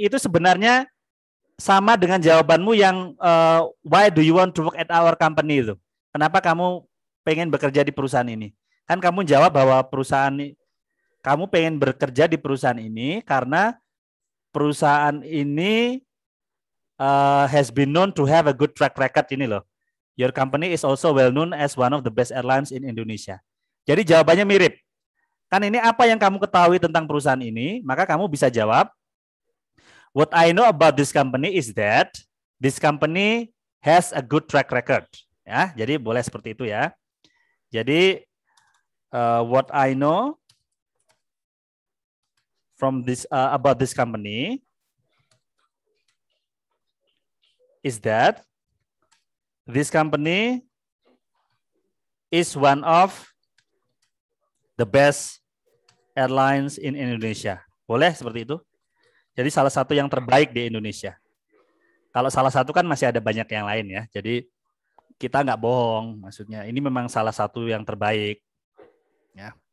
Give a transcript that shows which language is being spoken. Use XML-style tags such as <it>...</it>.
<id>Itu sebenarnya sama dengan jawabanmu yang</id> <en>why do you want to work at our company</en> <id>itu. Kenapa kamu pengen bekerja di perusahaan ini? Kan kamu jawab bahwa perusahaan kamu pengen bekerja di perusahaan ini karena perusahaan ini</id> <en>has been known to have a good track record</en> <id>ini loh.</id> <en>Your company is also well known as one of the best airlines in Indonesia.</en> <id>Jadi jawabannya mirip. Kan ini apa yang kamu ketahui tentang perusahaan ini, maka kamu bisa jawab,</id> <en>what I know about this company is that this company has a good track record.</en> <id>Ya, jadi boleh seperti itu ya. Jadi,</id> <en>what I know from this about this company is that this company is one of the best airlines in Indonesia.</en> <id>Boleh seperti itu? Jadi salah satu yang terbaik di Indonesia. Kalau salah satu kan masih ada banyak yang lain ya. Jadi kita nggak bohong. Maksudnya ini memang salah satu yang terbaik. Ya.</id>